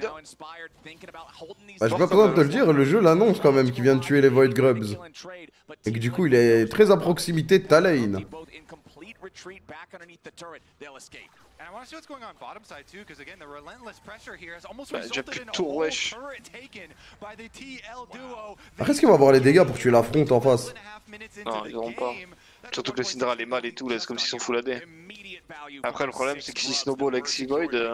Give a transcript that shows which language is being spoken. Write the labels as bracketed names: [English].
[French] Bah, je suis pas content de le dire, le jeu l'annonce quand même qu'il vient de tuer les Void Grubs. Et que du coup, il est très à proximité de ta lane. [English] Retreat back underneath the turret, they'll escape. And I want to see what's going on bottom side too, because again, the relentless pressure here has almost resulted in a whole turret taken by the TL duo. [French] Est-ce qu'il va avoir les dégâts pour tuer l'affront en face? Non, ils n'auront pas. Surtout que le Syndra est mal et tout, là, c'est comme s'ils sont full AD. Après, le problème, c'est qu'ils snowball avec Sivoid.